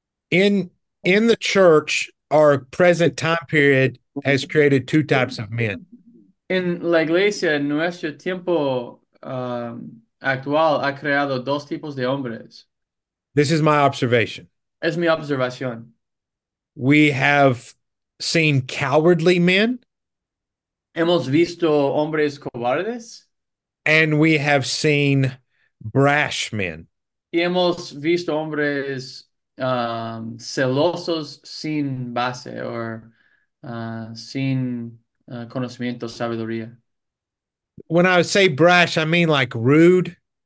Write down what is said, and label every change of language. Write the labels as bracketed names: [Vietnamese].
[English] In the church, our present time period has created two types of men. [Spanish] En la iglesia, nuestro tiempo actual ha creado dos tipos de hombres. [English] This is my observation. [Spanish] Es mi observación. [English] We have seen cowardly men, [Spanish] Hemos visto hombres cobardes. [English] and we have seen brash men. [Spanish] Y hemos visto hombres celosos sin base o sin conocimiento, sabiduría. [English] When I say brash, I mean like rude,